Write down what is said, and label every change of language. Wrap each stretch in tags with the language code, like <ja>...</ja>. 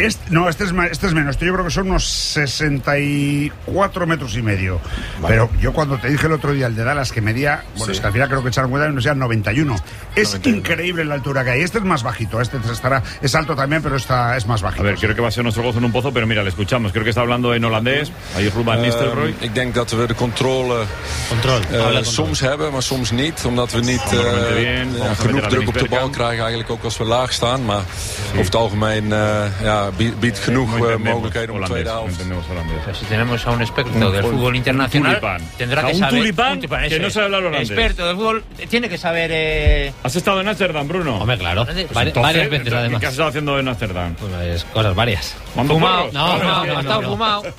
<es>Este es menos, este yo creo que son unos 64 metros y medio. Vale. Pero yo cuando te dije el otro día el de Dallas que medía, bueno, es que al final creo que echaron cuenta y no sea 91. Es 91. Increíble la altura que hay. Este es más bajito, este estará, es alto también, pero está, es más bajito. A ver, creo que va a ser nuestro gozo en un pozo, pero mira, le escuchamos. Creo que está hablando en holandés. Ahí Ruben Nistelrooy.</es> <nl>Ik denk dat we de control. Soms hebben, maar soms niet, omdat we niet genoeg druk op de bal krijgen, eigenlijk ook als we laag staan, maar over het algemeen biedt genoeg mogelijkheden om tweede helft.</nl> <es>Si tenemos a un experto del fútbol internacional, tendrá que saber un tulipán que no sabe hablar holandés. Experto del fútbol tiene que saber. ¿Has estado en Ámsterdam, Bruno? Hombre, claro, varias veces además. ¿Qué has estado haciendo en Ámsterdam? Pues cosas varias. Fumado. No, ha estado fumado.</es>